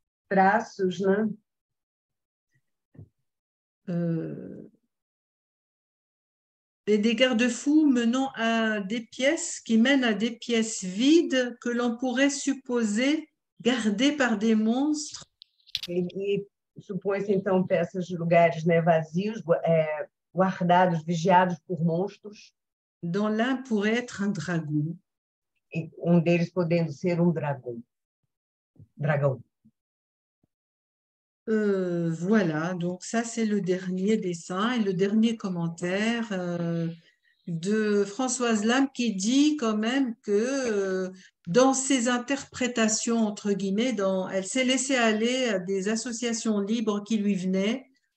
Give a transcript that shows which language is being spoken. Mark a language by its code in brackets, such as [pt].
[pt] Traços, né? [fr] E de garde-fous menant a des pièces, qui mènent à des pièces vides que l'on pourrait supposer gardées par des monstres. [pt] E supõe-se, então, peças de lugares, né, vazios, guardados, vigiados por monstros. [fr] Dans l'un pourrait être un dragon. [pt] E um deles podendo ser um dragão. [fr] Dragon. Voilà, donc ça c'est le dernier dessin et le dernier commentaire de Françoise Lam qui dit quand même que dans ses interprétations, entre guillemets, elle s'est laissée aller à des associations libres qui lui venaient,